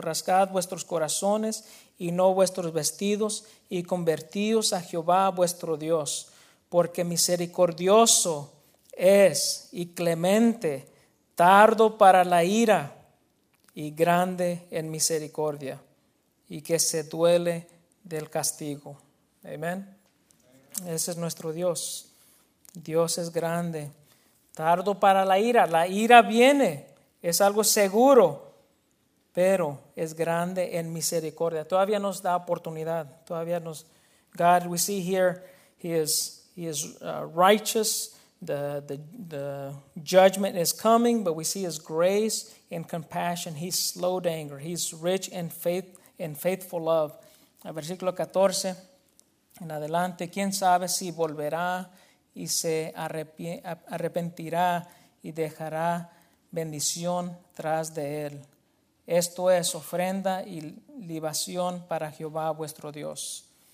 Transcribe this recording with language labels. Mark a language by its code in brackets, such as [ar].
[es] Rasgad vuestros corazones y no vuestros vestidos y convertíos a Jehová vuestro Dios, porque misericordioso es y clemente, tardo para la ira y grande en misericordia y que se duele del castigo. Amén. Ese es nuestro Dios. Dios es grande. Tardo para la ira viene, es algo seguro, pero es grande en misericordia. Todavía nos da oportunidad, todavía nos, [en] God, we see here, he is righteous, the judgment is coming, but we see his grace and compassion, he's slow to anger, he's rich in faith and faithful love. [es] El versículo 14, en adelante, quién sabe si volverá y se arrepentirá y dejará bendición tras de él. Esto es ofrenda y libación para Jehová vuestro Dios.